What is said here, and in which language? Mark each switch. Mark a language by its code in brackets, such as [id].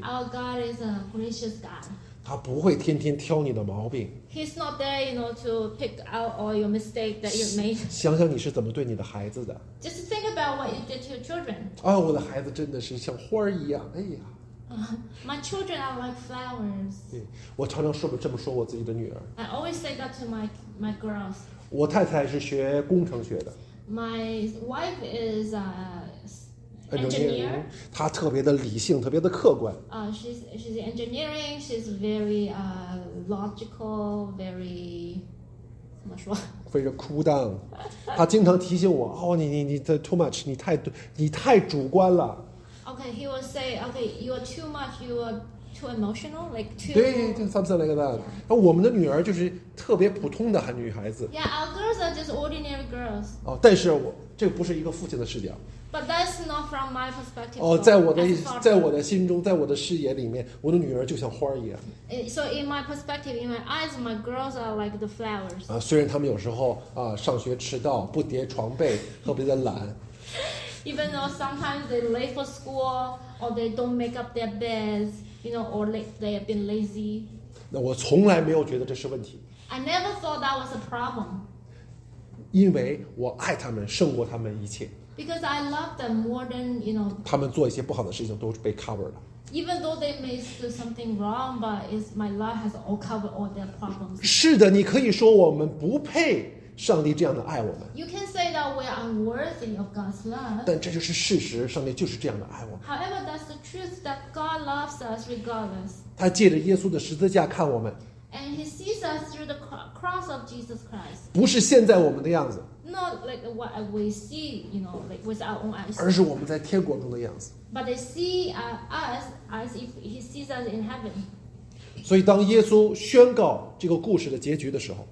[en] Our God is a gracious God. [zh] 他不会天天挑你的毛病。 [en] He's not there, you know, to pick out all your mistakes that you made. [zh] 想想你是怎么对你的孩子的。 [en] Just think about what you did to your children. [zh] 啊，我的孩子真的是像花儿一样，哎呀。 [en] My children are like flowers. [zh] 对，我常常说这么说我自己的女儿。 [en] I always say that to my girls. [zh] 我太太是学工程学的。 [en] My wife is a engineer, [zh] 她特别的理性，特别的客观。 [en] She's engineering. She's very logical, very [zh] 怎么说？非常 [en] cool down. [zh] 她经常提醒我，哦，你 [en] too much, [zh] 你太主观了。 [en] Okay, he will say, okay, you are too much, you are too emotional, like too. [zh] 对 [en] ，something like that. [zh] 那我们的女儿就是特别普通的女孩子。 [en] Yeah, our girls are just ordinary girls. [zh] 哦，但是我这不是一个父亲的视角。 [en] But that's not from my perspective. [zh] 哦，在我的心中，在我的视野里面，我的女儿就像花一样。 [en] So in my perspective, in my eyes, my girls are like the flowers. [zh] 啊，虽然她们有时候啊上学迟到、不叠床被、特别的懒。 [en] Even though sometimes they late for school or they don't make up their beds, you know, or they have been lazy. [zh] 那我从来没有觉得这是问题。 [en] I never thought that was a problem. [zh] 因为我爱她们胜过她们一切。 [en] Because I love them more than, you know. [zh] 他们做一些不好的事情都是被 covered 了。 [en] Even though they may do something wrong, but is my love has all covered all their problems. [zh] 是的，你可以说我们不配上帝这样的爱我们。 [en] You can say that we are unworthy of God's love. [zh] 但这就是事实，上帝就是这样的爱我们。 [en] However, that's the truth that God loves us regardless. [zh] 他借着耶稣的十字架看我们。 [en] And he sees us through the cross of Jesus Christ. [zh] 不是现在我们的样子。 [en] Not like what we see, you know, like with our own eyes. [zh] 而是我们在天国中的样子。 [en] But they see us as if he sees us in heaven. [zh] 所以当耶稣宣告这个故事的结局的时候。